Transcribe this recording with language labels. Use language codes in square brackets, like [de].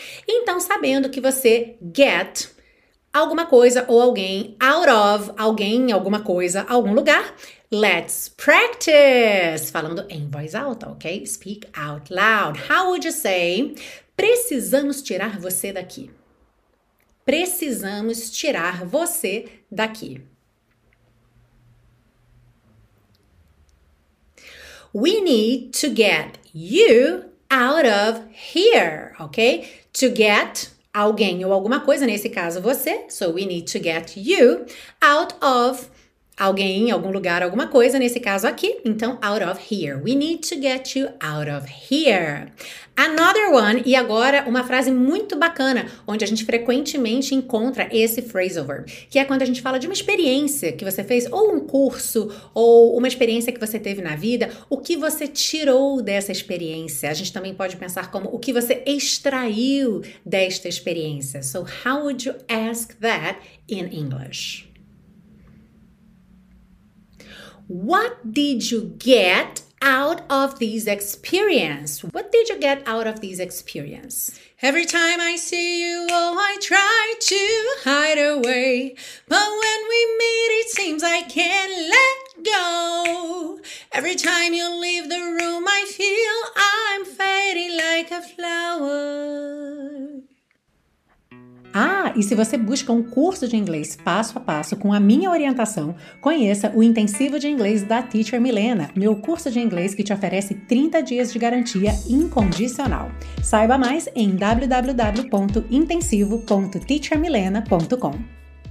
[pt] Então, sabendo que você [en] get [pt] alguma coisa ou alguém [en] out of [pt] alguém, alguma coisa, algum lugar, [en] let's practice! [pt] Falando em voz alta, [en] ok? Speak out loud. How would you say? [pt] Precisamos tirar você daqui. Precisamos tirar você daqui. [en] We need to get you out of here, ok? To get [pt] alguém ou alguma coisa, nesse caso você. [en] So we need to get you out of [pt] alguém, algum lugar, alguma coisa, nesse caso aqui. Então, [en] out of here. We need to get you out of here. Another one. [pt] E agora, uma frase muito bacana, onde a gente frequentemente encontra esse phrasal verb, que é quando a gente fala de uma experiência que você fez, ou um curso, ou uma experiência que você teve na vida, o que você tirou dessa experiência. A gente também pode pensar como o que você extraiu desta experiência. [en] So, how would you ask that in English? What did you get out of this experience? What did you get out of this experience? Every time I see you, oh, I try to hide away. But when we meet, it seems I can't let go. Every time you leave the room, I feel I'm fading like a flower. [pt] Ah, e se você busca um curso de inglês passo a passo com a minha orientação, conheça o Intensivo de Inglês da Teacher Milena, meu curso de inglês que te oferece 30 dias de garantia incondicional. Saiba mais em www.intensivo.teachermilena.com.